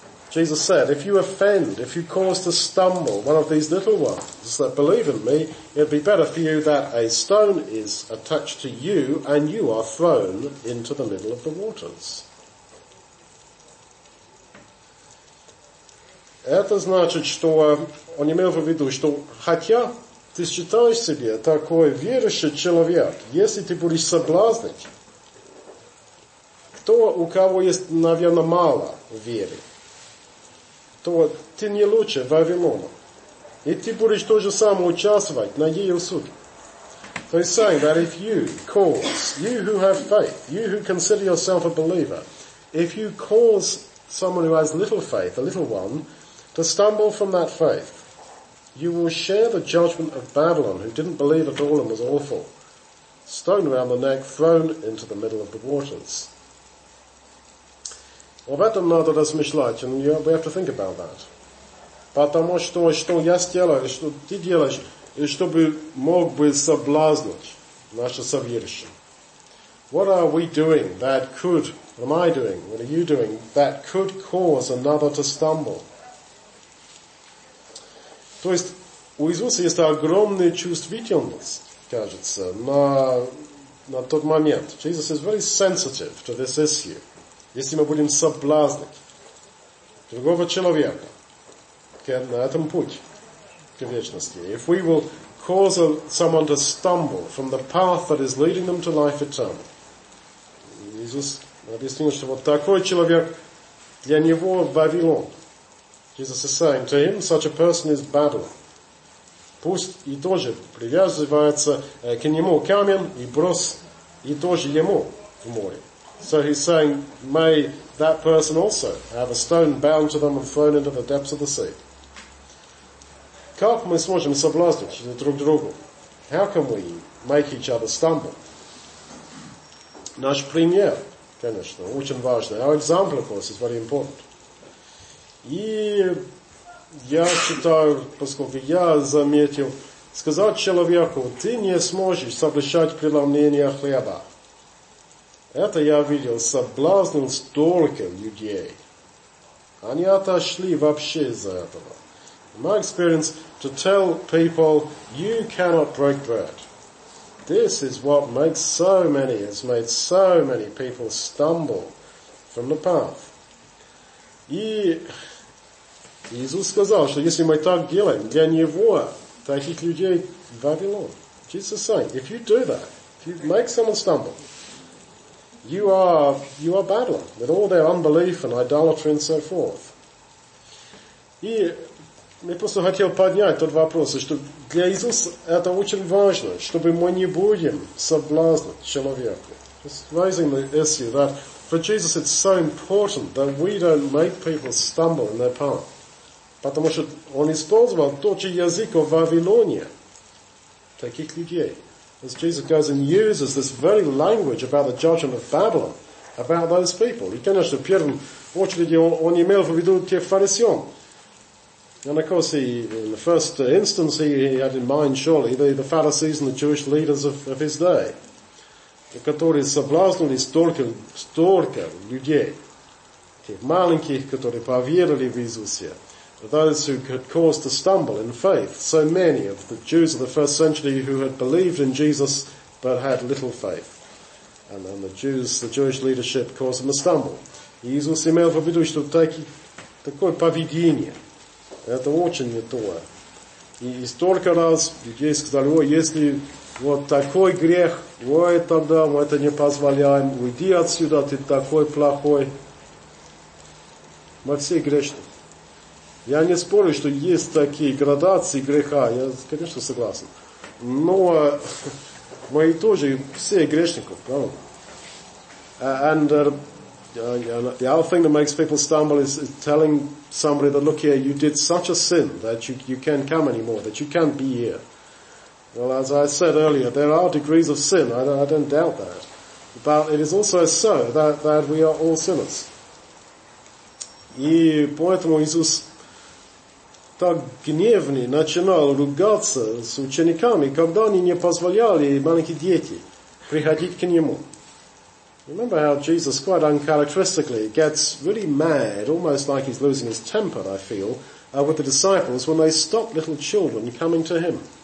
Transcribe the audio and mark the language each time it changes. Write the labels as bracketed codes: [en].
[en] Jesus said, if you offend, if you cause to stumble one of these little ones that believe in me, it'd be better for you that a stone is attached to you and you are thrown into the middle of the waters. [ru] Это значит, что он имел в виду, что хотя ты считаешь себя такой верующий человек, если ты будешь соблазнить, то у кого есть, наверное, мало веры, то ты не лучше Вавилона. И ты будешь то же самое участвовать на ее суде. [en] So he's saying that if you cause, you who have faith, you who consider yourself a believer, if you cause someone who has little faith, a little one, to stumble from that faith, you will share the judgment of Babylon, who didn't believe at all and was awful, stone around the neck, thrown into the middle of the waters. [ru] Об этом надо размышлять, [en] and you have to think about that. [ru] Потому что, что я сделаю, что ты делаешь, чтобы мог бы соблазнить наше соверище. [en] What are we doing that could, what am I doing, what are you doing, that could cause another to stumble? [ru] То есть, у Иисуса есть огромная чувствительность, кажется, на тот момент. [en] Jesus is very sensitive to this issue. [ru] Если мы будем соблазнить другого человека на этом пути к вечности, [en] if we will cause someone to stumble from the path that is leading them to life eternal, [ru] Иисус объяснил, что вот такой человек для него Вавилон. [en] Jesus is saying to him, such a person is Babylon. [ru] Пусть и тоже привязывается к нему камень и брос и тоже ему в море. [en] So he's saying, may that person also have a stone bound to them and thrown into the depths of the sea. [ru] Как мы сможем соблазнить друг друга? [en] How can we make each other stumble? [ru] Наш пример, конечно, очень важный. [en] Our example, of course, is very important. [ru] И я считаю, поскольку я заметил, сказать человеку, ты не сможешь соблазнять преломление хлеба. Это я видел, соблазнил столько людей. Они отошли вообще из-за этого. [en] My experience to tell people, you cannot break bread. This is what makes so many, has made so many people stumble from the path. [ru] И Иисус сказал, что если мы так делаем, для него таких людей Вавилон. [en] Jesus saying, if you do that, if you make someone stumble, you are battling with all their unbelief and idolatry and so forth. [ru] И я просто хотел поднять тот вопрос, что для Иисуса это очень важно, чтобы мы не будем соблазнить человека. [en] Just raising the issue that for Jesus it's so important that we don't make people stumble in their path. [ru] Потому что он использовал тот же язык в Вавилоне, таких людей. [en] As Jesus goes and uses this very language about the judgment of Babylon, about those people. [ru] И, конечно, в первом очереди он имел в виду тех фарисеев. [en] And of course, in the first instance, he had in mind, surely, the Pharisees and the Jewish leaders of his day. [ru] Которые соблазнили столько людей. Тех маленьких, которые поверили в Иисусе. [en] Those who had caused to stumble in faith. So many of the Jews of the first century who had believed in Jesus but had little faith. And then the Jewish leadership caused them to stumble. [ru] Иисус имел в виду, что такое поведение. Это очень не то. И столько раз людей сказали, ой, если вот такой грех, ой, тогда мы это не позволяем, уйди отсюда, ты такой плохой. Мы все грешны. Я не спорю, что есть такие градации греха, я, конечно, согласен. Но мы тоже все грешники, правда? [en] The other thing that makes people stumble is telling somebody that, look here, you did such a sin that you can't come anymore, that you can't be here. Well, as I said earlier, there are degrees of sin. I don't doubt that. But it is also so that we are all sinners. [ru] И поэтому Иисус так гневный начинал ругаться с учениками, когда они не позволяли маленькие дети приходить к нему. [en] Remember how Jesus, quite uncharacteristically, gets really mad, almost like he's losing his temper, I feel, with the disciples when they stop little children coming to him.